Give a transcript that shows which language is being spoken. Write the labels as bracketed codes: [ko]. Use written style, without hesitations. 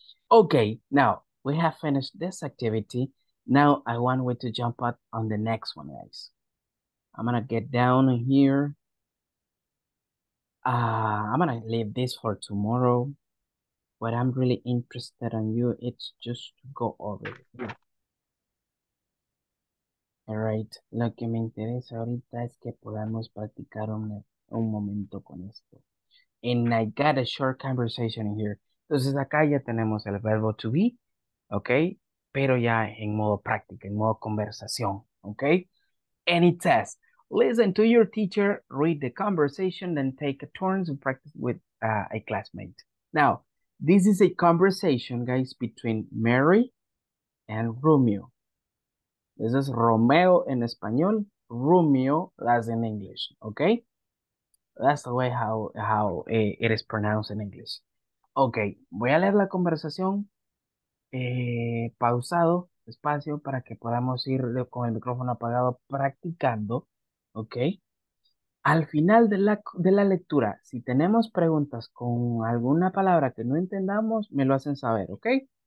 [en] Okay, now we have finished this activity. Now I want you to jump up on the next one, guys. I'm going to get down here. I'm going to leave this for tomorrow. What I'm really interested in you, it's just to go over it. All right, [es] lo que me interesa ahorita es que podamos practicar un momento con esto. [en] And I got a short conversation here. [es] Entonces acá ya tenemos el verbo to be, okay? Pero ya en modo práctica, en modo conversación, okay? [en] And it says, listen to your teacher, read the conversation, then take turns and practice with a classmate. Now, this is a conversation, guys, between Mary and Romeo. This is Romeo in español, Romeo as in English, okay? That's the way how it is pronounced in English. [es] Okay, voy a leer la conversación pausado, despacio, para que podamos ir con el micrófono apagado practicando, okay? Al final de la lectura, si tenemos preguntas con alguna palabra que no entendamos, me lo hacen saber, okay?